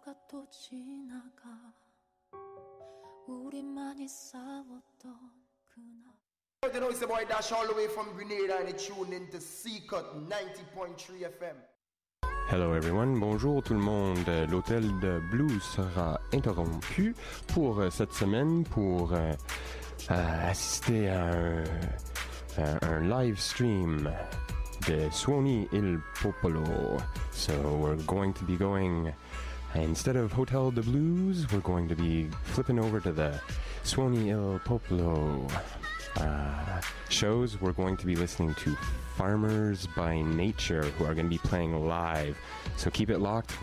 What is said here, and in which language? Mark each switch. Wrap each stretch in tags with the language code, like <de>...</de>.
<ko>또 지나가 우리 많이 싸웠던 그날</ko> <en>You know it's the boy Dash all the way from Grenada and tune in to Seacut 90.3 FM. Hello everyone,</en> <fr>bonjour tout le monde. L'hôtel de blues sera interrompu pour cette semaine pour assister à un live stream de Suoni il Popolo.</fr> <en>So we're going to be going Instead of Hotel de Blues, we're going to be flipping over to the Suoni il Popolo shows. We're going to be listening to Farmers by Nature, who are going to be playing live. So keep it locked.</en>